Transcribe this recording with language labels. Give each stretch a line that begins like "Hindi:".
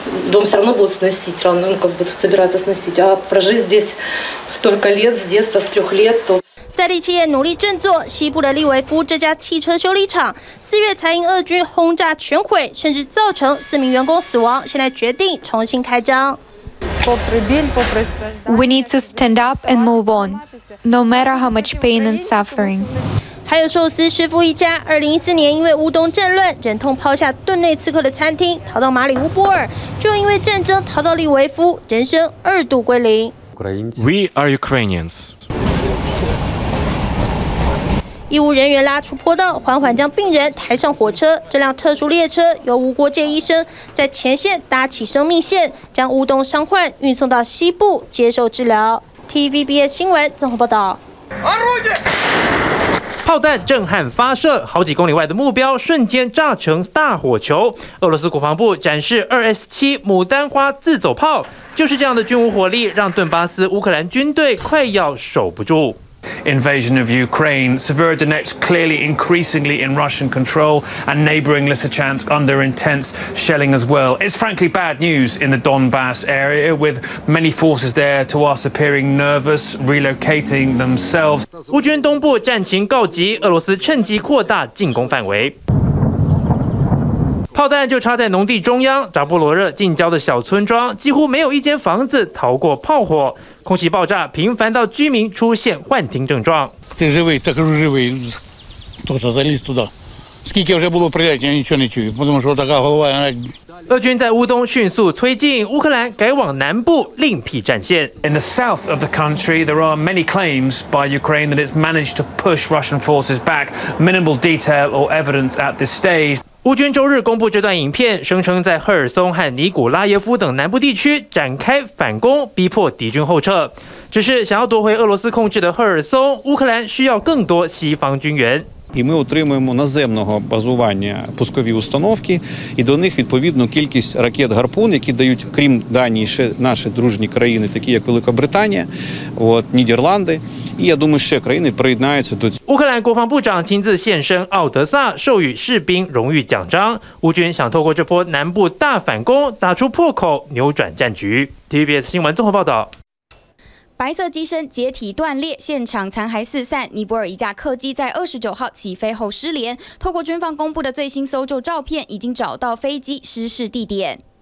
Russian: Дом все равно будет сносить, равно как бы собираются сносить. А прожить здесь столько лет с детства, с 3 лет, то.
Chinese: 在地企业努力振作，西部的利维夫这家汽车修理厂，4月才因俄军轰炸全毁，甚至造成4名员工死亡，现在决定重新开张。
English: We need to stand up and move on, no matter how much pain and suffering.
Chinese: 还有寿司师傅一家，2014年因为乌东政乱，忍痛抛下顿内刺客的餐厅，逃到马里乌波尔，就因为战争逃到利维夫，人生二度归零。
English: We are Ukrainians。
Chinese: 医务人员拉出坡道，缓缓将病人抬上火车。这辆特殊列车由无国界医生在前线搭起生命线，将乌东伤患运送到西部接受治疗。 TVBS 新闻综合报道。炮弹震撼发射，好几公里外的目标瞬间炸成大火球。俄罗斯国防部展示 2S7 牡丹花自走炮，就是这样的军武火力让顿巴斯乌克兰军队快要守不住。
English: Invasion of Ukraine, Severodonetsk clearly increasingly in Russian control, and neighboring Lysychansk under intense shelling as well. It's frankly bad news in the Donbass area, with many forces there to us appearing nervous, relocating themselves.
Chinese: 乌军东部战情告急，俄罗斯趁机扩大进攻范围。炮弹就插在农地中央，扎波罗热近郊的小村庄几乎没有一间房子逃过炮火，空气爆炸频繁到居民出现幻听症状。
Russian: Ты живой, так же живой, кто-то залез туда. Сколько уже было прилетов, я ничего не чую, потому что такая голова, она
Chinese: 俄军在乌东迅速推进，乌克兰改往南部另辟战线。
English: In the south of the country, there are many claims by Ukraine that it's managed to push Russian forces back. Minimal detail or evidence at this stage.
Chinese: 乌军周日公布这段影片，声称在赫尔松和尼古拉耶夫等南部地区展开反攻，逼迫敌军后撤。只是想要夺回俄罗斯控制的赫尔松，乌克兰需要更多西方军援。
Ukrainian: І ми отримуємо наземного базування пускові установки, і до них відповідно кількість ракет «Гарпун», які дають, крім Данії, ще наші дружні країни, такі як Великобританія, от, Нідерланди. І я думаю, ще країни приєднаються до цього.
Chinese: 乌克兰国防部长亲自现身奥德萨，授予士兵荣誉奖章。乌军想透过这波南部大反攻打出破口，扭转战局。 TVBS 新闻综合报道。白色机身解体断裂，现场残骸四散。尼泊尔一架客机在29号起飞后失联。透过军方公布的最新搜救照片，已经找到飞机失事地点。